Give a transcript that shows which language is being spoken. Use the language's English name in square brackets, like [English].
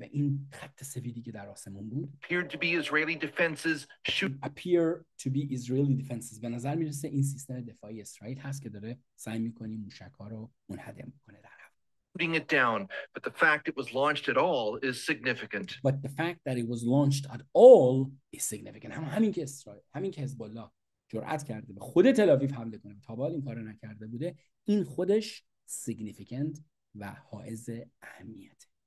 [Persian] و این خط سفیدی که در آسمون بود. [English] Appeared to be Israeli defenses. Should appear to be Israeli defenses. [Persian] به نظر میرسه این سیستم دفاعی اسرائیل هست که داره سعی میکنه موشک‌ها رو منهدم کنه در هوا. [English] Putting it down, but the fact it was launched at all is significant. But the fact that it was launched at all is significant. [Persian] همین که اسرائیل، همین که حزب الله جرأت کرده به خود تل آویو حمله کنه، تا حالا این کارو نکرده بوده، این خودش significant و حائز اهمیت.